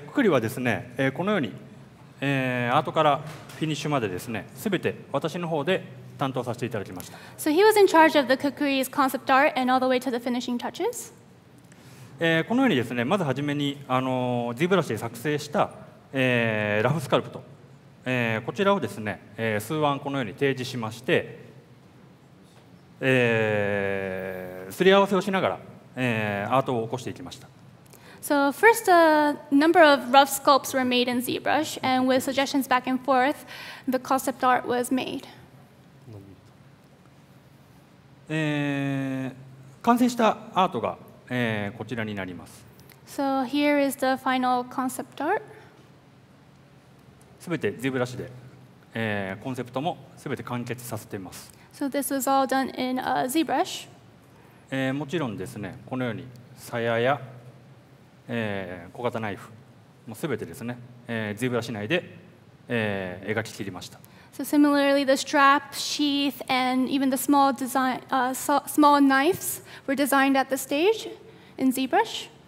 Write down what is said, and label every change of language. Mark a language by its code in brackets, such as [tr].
[ja] ククリはですね、このように、アートからフィニッシュまでですね、すべて私の方で担当させていただきました。 [en] So he was in charge of the Kukri's concept art and all the way to the finishing touches? [ja] このようにですね、まずはじめに、ZBrushで作成した、ラフスカルプト、こちらをですね、数案このように提示しまして、すり合わせをしながら、アートを起こしていきました。 [en] So first, a number of rough sculpts were made in ZBrush, and with suggestions back and forth, the concept art was made. [ja] 完成したアートが、こちらになります。 [en] So here is the final concept art. [ja] すべて ZBrush で、コンセプトもすべて完結させています。 [en] So this was all done in ZBrush. [ja] もちろんですね、このように鞘や小型ナイフもすべてですね、ZBrush内で、描き切りました。 [en] So similarly, the strap, sheath, and even the small design, small knives were designed at the stage in ZBrush.